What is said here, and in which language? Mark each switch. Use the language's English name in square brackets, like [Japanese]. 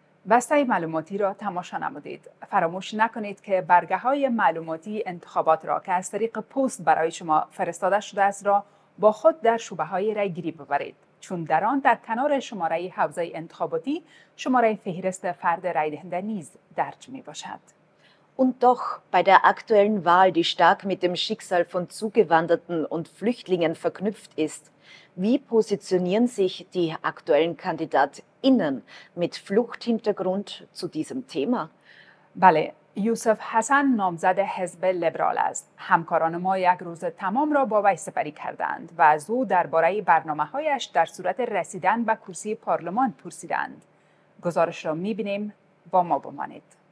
[Persian] بسته معلوماتی را تماشا نمودید. فراموش نکنید که برگه های معلوماتی انتخابات را که از طریق پست برای شما فرستاده شده است را با خود در شعبه های رای گیری ببرید. چون در آن در کنار شماره حوزه انتخاباتی شماره فهرست فرد رای دهنده نیز درج می باشد. [German] Und doch, bei der aktuellen Wahl, die stark mit dem Schicksal von Zugewanderten und Flüchtlingen verknüpft ist, wie positionieren sich die aktuellen KandidatInnen mit Fluchthintergrund zu diesem Thema? [Persian] Bale, Yusuf Hassan, نامزد حزب لیبرال است. همکاران ما یک روز تمام را با وی سپری کردند و از او درباره برنامه‌هایش در صورت رسیدن به کرسی پارلمان پرسیدند. گزارش را می‌بینیم، با ما بمانید.